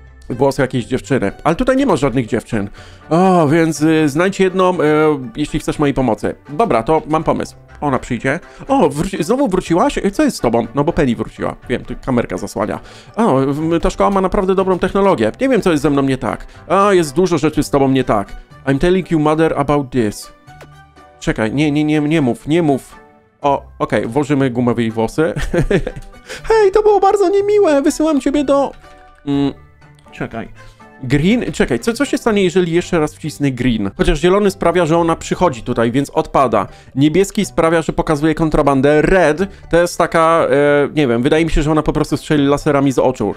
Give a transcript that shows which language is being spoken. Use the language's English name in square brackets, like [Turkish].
[Polish] włosy jakiejś dziewczyny. Ale tutaj nie ma żadnych dziewczyn. O, więc znajdź jedną, jeśli chcesz mojej pomocy. Dobra, to mam pomysł. Ona przyjdzie. O, znowu wróciłaś? Co jest z tobą? No bo Penny wróciła. Wiem, tu kamerka zasłania. O, ta szkoła ma naprawdę dobrą technologię. Nie wiem, co jest ze mną nie tak. O, jest dużo rzeczy z tobą nie tak. [English] I'm telling you mother about this. [Polish] Czekaj, nie mów. O, okej, okay, włożymy gumę w jej włosy. Hej, to było bardzo niemiłe. Wysyłam ciebie do... Czekaj. Green? Czekaj, co się stanie, jeżeli jeszcze raz wcisnę green? Chociaż zielony sprawia, że ona przychodzi tutaj, więc odpada. Niebieski sprawia, że pokazuje kontrabandę. Red to jest taka, nie wiem, wydaje mi się, że ona po prostu strzeli laserami z oczu.